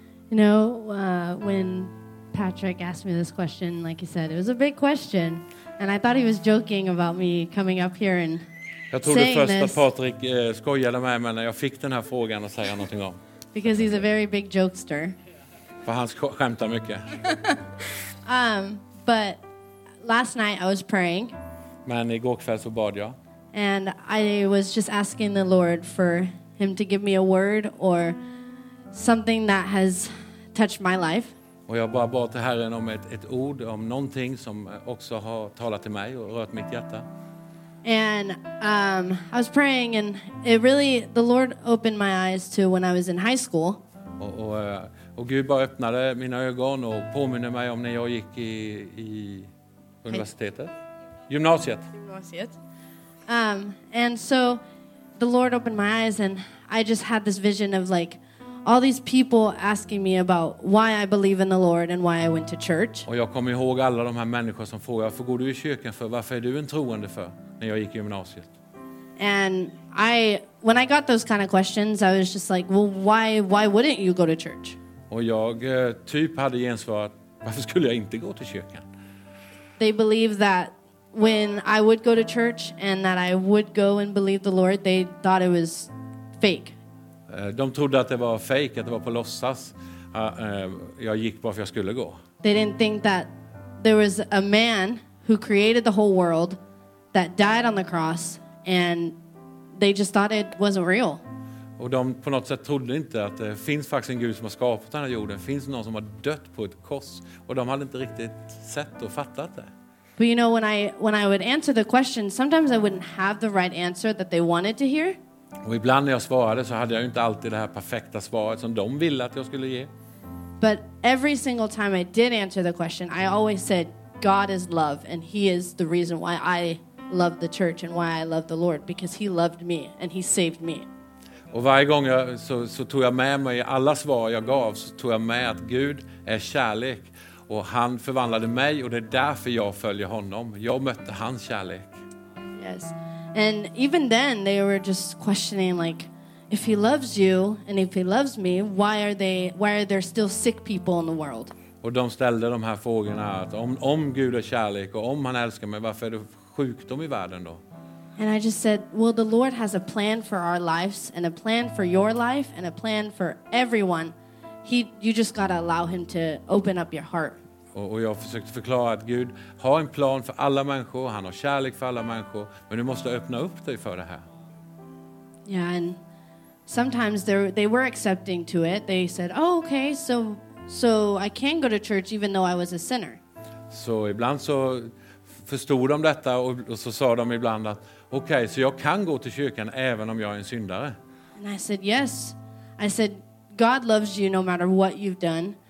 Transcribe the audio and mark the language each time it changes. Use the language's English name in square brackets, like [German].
[English] You know, when Patrick asked me this question, like you said, it was a big question. And I thought he was joking about me coming up here and [Swedish] jag trodde först att Patrick skojade med mig när jag fick den här frågan och säga någonting om. [English] Because he's a very big jokester. [Swedish] För han skämtar mycket. [English] But last night I was praying. [Swedish] Men igår kväll så bad jag. [English] And I was just asking the Lord for him to give me a word or something that has touched my life. [Swedish] Och jag bara bad till Herren om ett ord, om någonting som också har talat till mig och rört mitt hjärta. [English] And I was praying and it really, the Lord opened my eyes to when I was in high school. [Swedish] Och Gud bara öppnade mina ögon och påminner mig om när jag gick i universitetet. Gymnasiet. Gymnasiet. [English] And so the Lord opened my eyes and I just had this vision of like all these people asking me about why I believe in the Lord and why I went to church. [Swedish] Och jag kommer ihåg alla de här människor som frågar, varför går du i kyrkan för? Varför är du en troende för? När jag gick i gymnasiet. [English] And I, when I got those kind of questions, I was just like, well, why wouldn't you go to church? [Swedish] Och jag typ hade gensvarat, varför skulle jag inte gå till kyrkan? [English] They believe that when I would go to church and that I would go and believe the Lord, they thought it was fake. [Swedish] De trodde att det var fake, att det var på låtsas. Jag gick bara för jag skulle gå. [English] They didn't think that there was a man who created the whole world that died on the cross and they just thought it wasn't real. [Swedish] Och de på något sätt trodde inte att det finns faktiskt en Gud som har skapat den här jorden. Finns någon som har dött på ett kors och de hade inte riktigt sett och fattat det. [English] But you know when I would answer the question, sometimes I wouldn't have the right answer that they wanted to hear. [Swedish] Och ibland när jag svarade så hade jag inte alltid det här perfekta svaret som de ville att jag skulle ge. [English] But every single time I did answer the question, I always said, God is love, and he is the reason why I love the church and why I love the Lord, because he loved me and he saved me. [Swedish] Och varje gång så tog jag med mig alla svar jag gav, så tog jag med att Gud är kärlek och han förvandlade mig, och det är därför jag följer honom. Jag mötte hans kärlek. [English] Yes. And even then they were just questioning, like, if he loves you and if he loves me, why are there still sick people in the world? [Swedish] Och de ställde de här frågorna, att om Gud är kärlek och om han älskar mig, varför är det sjukdom i världen då? [English] And I just said, well, the Lord has a plan for our lives and a plan for your life and a plan for everyone. You just got to allow him to open up your heart. [Swedish] Och jag försökte förklara att Gud har en plan för alla människor. Han har kärlek för alla människor. Men du måste öppna upp dig för det här. [English] Yeah, and sometimes they were accepting to it. They said, oh, okay, so I can go to church even though I was a sinner. [Swedish] Så ibland så förstod de detta, och så sa de ibland att okej, så jag kan gå till kyrkan även om jag är en syndare. [English] And I said, yes. I said, God loves you no matter what you've done.